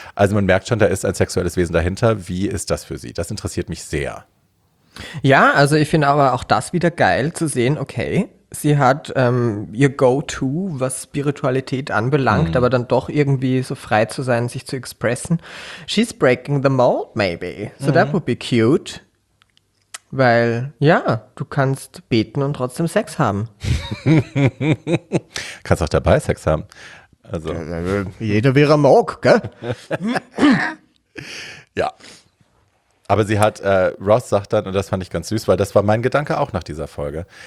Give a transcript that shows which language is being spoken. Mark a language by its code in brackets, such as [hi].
[de] Also man merkt schon, da ist ein sexuelles Wesen dahinter. Wie ist das für sie? Das interessiert mich sehr. Ja, also ich finde aber auch das wieder geil zu sehen, okay, sie hat ihr Go-To, was Spiritualität anbelangt, aber dann doch irgendwie so frei zu sein, sich zu expressen. [en] She's breaking the mold, maybe. So that would be cute. [de] Weil, ja, du kannst beten und trotzdem Sex haben. Kannst auch dabei Sex haben. Also. Jeder wäre mag, gell? Ja. Aber sie hat, Ross sagt dann, und das fand ich ganz süß, weil das war mein Gedanke auch nach dieser Folge.